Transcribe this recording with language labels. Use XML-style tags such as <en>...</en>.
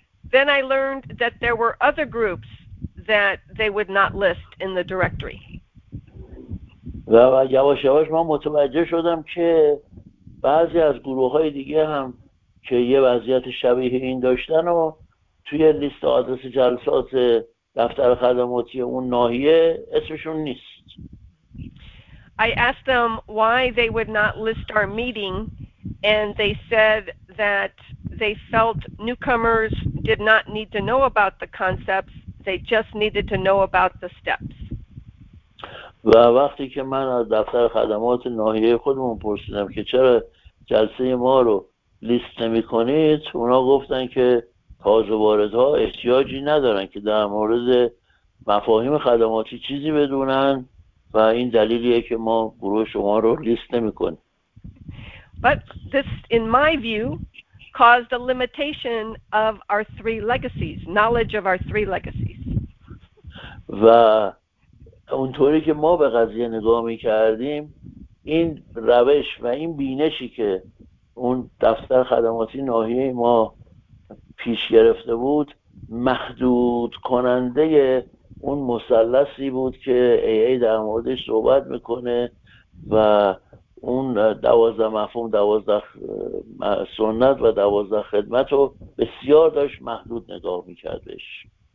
<en>Then I learned that there were other groups that they would not list in the directory.</en> <fa>و یواش یواش من متوجه شدم که بعضی از گروه های دیگه هم که یه وضعیت شبیه این داشتن و توی لیست آدرس جلسات دفتر خدماتی اون ناحیه اسمشون نیست.</fa> <en>I asked them why they would not list our meeting, and they said that they felt newcomers did not need to know about the concepts, they just needed to know about the steps.</en> <fa>و وقتی که من از دفتر خدمات ناحیه خودمون پرسیدم که چرا جلسه ما رو لیست نمی کنید، اونا گفتن که تازه واردها احتیاجی ندارن که در مورد مفاهیم خدماتی چیزی بدونن و این دلیلیه که ما گروه شما رو لیست نمی کنیم.</fa> <en>But this, in my view, caused a limitation of our three legacies, knowledge of our three legacies.</en> <fa>و اونطوری که ما به قضیه نگاه می کردیم، این روش و این بینشی که اون دفتر خدماتی ناحیه ما پیش گرفته بود، محدود کننده اون مثلثی بود که AA در موردش صحبت میکنه و اون 12 مفهوم، 12 سنت و 12 خدمت رو بسیار داشت محدود نگاه میکردش.</fa>